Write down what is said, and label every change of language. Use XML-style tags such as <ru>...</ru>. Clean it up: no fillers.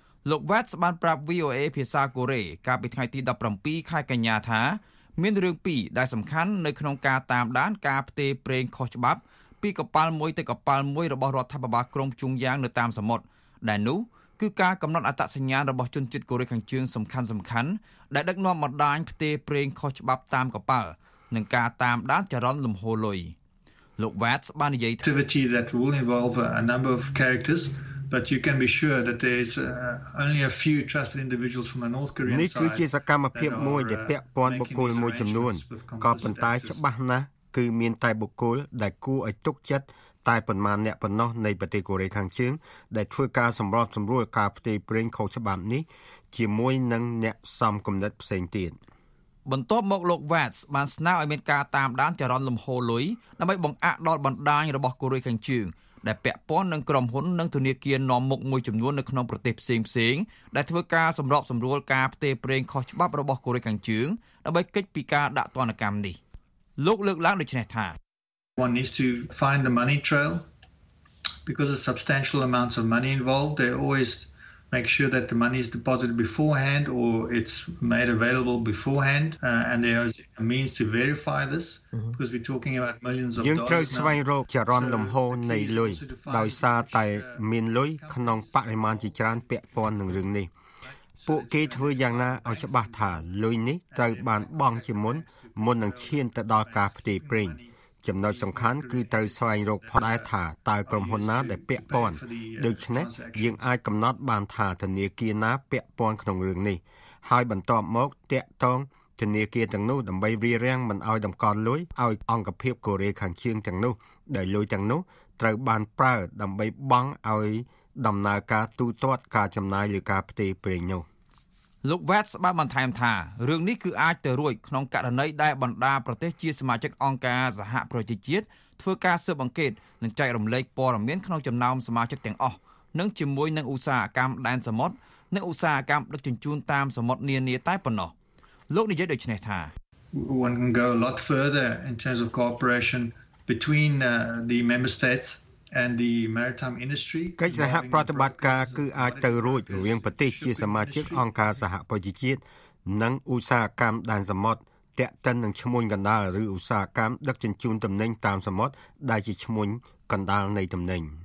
<km>លោក Watts បានប្រាប់ VOA ភាសាកូរ៉េកាលពីថ្ងៃទី17ខែកញ្ញាថាមានរឿងពីរដែលសំខាន់នៅក្នុងការតាមដានការផ្ទេរប្រេងខុសច្បាប់ពីកប៉ាល់មួយទៅកប៉ាល់មួយរបស់រដ្ឋាភិបាលក្រុងជុងយ៉ាងនៅតាមសមុទ្រដែលនោះគឺការកំណត់អត្តសញ្ញាណរបស់ជនជាតិកូរ៉េខាងជើងសំខាន់ៗដែលដឹកនាំបណ្ដាញផ្ទេរប្រេងខុសច្បាប់តាមកប៉ាល់និងការតាមដានចរន្តលំហូរលុយលោក Watts បាននិយាយ ថា</km> <en>activity that will involve a number of characters but you can be sure that there's only a few trusted individuals from the North Korean side</en> <km>នេះគឺជាសកម្មភាពមួយដែលពាក់ព័ន្ធបុគ្គលមួយចំនួនក៏ប៉ុន្តែច្បាស់ណាស់គឺមានតែបុគ្គលដែលគួរឲ្យទុកចិត្តតែប៉ុន្មានអ្នកប៉ុណ្ណោះនៃប្រទេសកូរ៉េខាងជើងដែលធ្វើការសម្របសម្រួលការផ្ទេរប្រេងខុសច្បាប់នេះជាមួយនឹងអ្នកសំគំនិតផ្សេងទៀត បន្ទាប់មកលោក Watts បានស្នើឲ្យមានការតាមដានចរន្តលំហូរលុយដើម្បីបង្អាក់ដល់បណ្ដាញរបស់កូរ៉េខាងជើងដែលពាក់ព័ន្ធនឹងក្រុមហ៊ុននិងធនាគារនាំមុខមួយចំនួននៅក្នុងប្រទេសផ្សេងៗដែលធ្វើការសម្របសម្រួលការផ្ទេរប្រេងខុសច្បាប់របស់កូរ៉េខាងជើងដើម្បីគេចពីការដាក់ទណ្ឌកម្មនេះលោកលើកឡើងដូចនេះថា</km> <en>one needs to find the money trail because of substantial amounts of money involved they always make sure that the money is deposited beforehand or it's made available beforehand and there is a means to verify this because we're talking about millions of dollars</en> <km>យើងត្រូវស្វែងរកចរន្តលំហូរនៃលុយដោយសារតែមានលុយក្នុងបរិមាណជាច្រើនពាក់ព័ន្ធនឹងរឿងនេះពួកគេធ្វើយ៉ាងណាឲ្យច្បាស់ថាលុយនេះត្រូវបានបង់ជា មុននឹងឈានទៅដល់ការផ្ទេរប្រេងចំណុចសំខាន់គឺត្រូវស្វែងរកផ្ដែថាតើក្រុមហ៊ុនណាដែលពាក់ព័ន្ធដូច្នេះយើងអាចកំណត់បានថាធនាគារណាពាក់ព័ន្ធក្នុងរឿងនេះហើយបន្ទាប់មកតាក់ទងធនាគារទាំងនោះដើម្បីរារាំងមិនឲ្យតម្កល់លុយឲ្យអង្គភាពកូរ៉េខាងជើងទាំងនោះដែលលុយទាំងនោះត្រូវបានប្រើដើម្បីបង់ឲ្យដំណើរការទូទាត់ការចំណាយឬការផ្ទេរប្រេងនោះ លោក Watts បានបន្ថែមថារឿងនេះគឺអាចទៅរួចក្នុងករណីដែលបណ្ដាប្រទេសជាសមាជិកអង្គការសហប្រជាជាតិធ្វើការស៊ើបអង្កេតនិងចែករំលែកព័ត៌មានក្នុងចំណោមសមាជិកទាំងអស់និងជាមួយនឹងឧស្សាហកម្មដែនសមុទ្រនិងឧស្សាហកម្មដឹកជញ្ជូនតាមសមុទ្រនានាតែប៉ុណ្ណោះលោកនិយាយដូចនេះថា</km> <en>One can go a lot further in terms of cooperation between the member states. And the maritime industry</en> <km>កិច្ចសហប្រតិបត្តិការគឺអាចទៅរួចរវាងប្រទេសជាសមាជិកអង្គការសហប្រជាជាតិនិងឧស្សាហកម្មដែនសមុទ្រតាក់ទិននឹងឈ្មោះកណ្ដាលឬឧស្សាហកម្មដឹកជញ្ជូនទំនិញតាមសមុទ្រដែលជាឈ្មោះកណ្ដាលនៃទំនិញ</km>